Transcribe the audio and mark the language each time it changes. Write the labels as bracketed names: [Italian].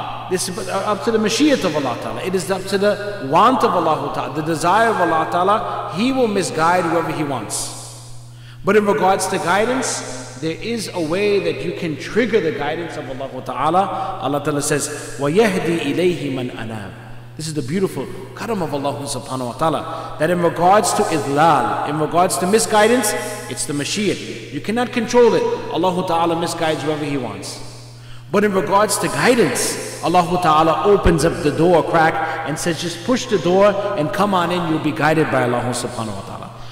[English] This is up to the mashiyat of Allah Ta'ala. It is up to the want of Allah Ta'ala, the desire of Allah Ta'ala. He will misguide whoever He wants. But in regards to guidance, There is a way that you can trigger the guidance of Allah Ta'ala. Allah Ta'ala says, [Arabic] وَيَهْدِي إِلَيْهِ مَنْ أَنَابْ. [English] This is the beautiful karam of Allah subhanahu wa ta'ala. That in regards to idlal, in regards to misguidance, it's the mashiyah. You cannot control it. Allah Ta'ala misguides whoever He wants. But in regards to guidance, Allah Ta'ala opens up the door crack and says, just push the door and come on in, you'll be guided by Allah subhanahu wa ta'ala.